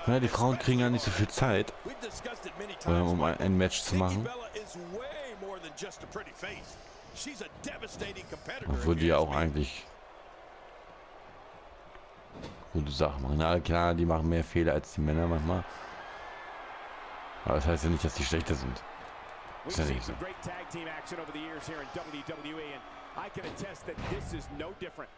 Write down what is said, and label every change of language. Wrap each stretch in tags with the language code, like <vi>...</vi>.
<de>Ja, die Frauen kriegen ja nicht so viel Zeit, ein Match zu machen.</de> <en>Bella is way more than just a pretty face. She's a devastating competitor.</en> <de>Obwohl die ja auch eigentlich gute Sachen machen. Na klar, die machen mehr Fehler als die Männer manchmal. Aber das heißt ja nicht, dass die schlechter sind. Das ist ja nicht so.</de> <en>Great tag team action over the years here in WWE, and I can attest that this is no different.</en>